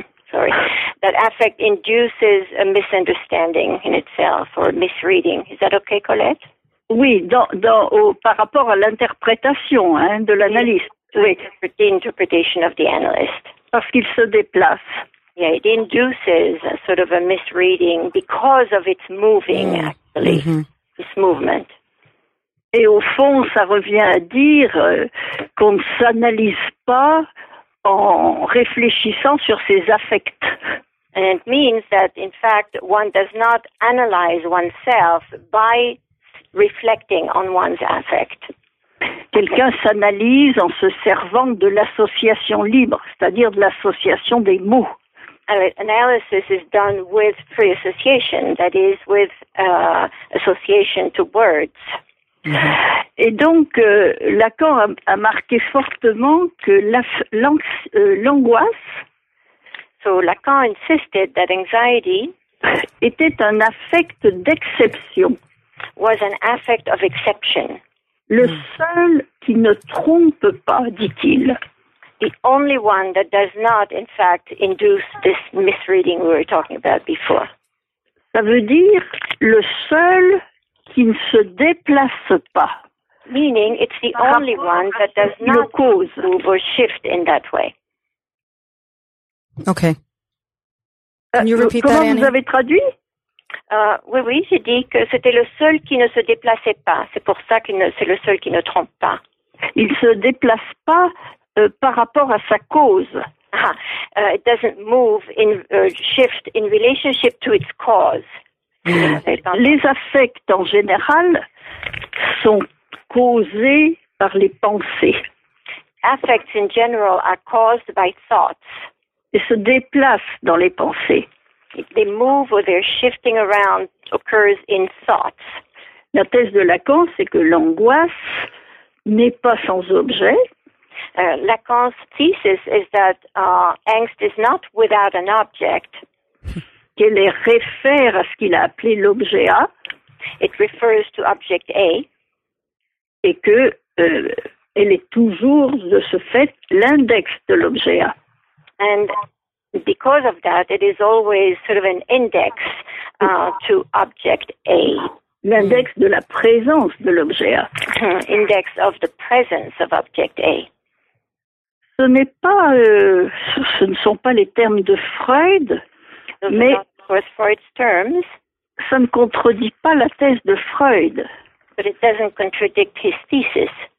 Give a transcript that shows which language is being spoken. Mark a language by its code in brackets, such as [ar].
[en] Sorry, that affect induces a misunderstanding in itself or a misreading. Is that okay, Colette? [fr] Oui, par rapport à l'interprétation de l'analyste. [en] Oui. The interpretation of the analyst. [fr] Parce qu'il se déplace. [en] Yeah, it induces a sort of a misreading because of its moving, actually, its movement. [fr] Et au fond, ça revient à dire qu'on ne s'analyse pas en réfléchissant sur ses affects. [en] And it means that, in fact, one does not analyze oneself by reflecting on one's affect. [fr] Quelqu'un s'analyse en se servant de l'association libre, c'est-à-dire de l'association des mots. [en] Analysis is done with free association, that is, with association to words. [fr] Et donc, Lacan a marqué fortement que l'angoisse. [en] So Lacan insisted that anxiety [fr] était un affect d'exception. [en] Was an affect of exception. [fr] Le seul qui ne trompe pas, dit-il. [en] The only one that does not, in fact, induce this misreading we were talking about before. [fr] Ça veut dire le seul qui ne se déplace pas. [en] Meaning, it's the only one that does not cause move or shift in that way. Okay. Can you repeat [fr] comment [en] that, [fr] vous avez traduit? Oui, j'ai dit que c'était le seul qui ne se déplaçait pas. C'est pour ça que c'est le seul qui ne trompe pas. Il ne se déplace pas par rapport à sa cause. [en] It doesn't move in shift in relationship to its cause. [fr] Les affects en général sont causés par les pensées. [en] Affects in general are caused by thoughts. [fr] Ils se déplacent dans les pensées. [en] They move or they're shifting around occurs in thoughts. [fr] La thèse de Lacan, c'est que l'angoisse n'est pas sans objet. [en] Lacan's thesis is that angst is not without an object. [fr] Qu'elle est réfère à ce qu'il a appelé l'objet A. [en] It refers to object A. [fr] Et que elle est toujours, de ce fait, l'index de l'objet A. [en] And because of that, it is always sort of an index to object A. [fr] L'index de la présence de l'objet A. [en] Index of the presence of object A. [fr] Ce n'est pas, ce ne sont pas les termes de Freud, mais [en] Freud's terms. [fr] Ça ne contredit pas la thèse de Freud. [en] But it doesn't contradict his thesis.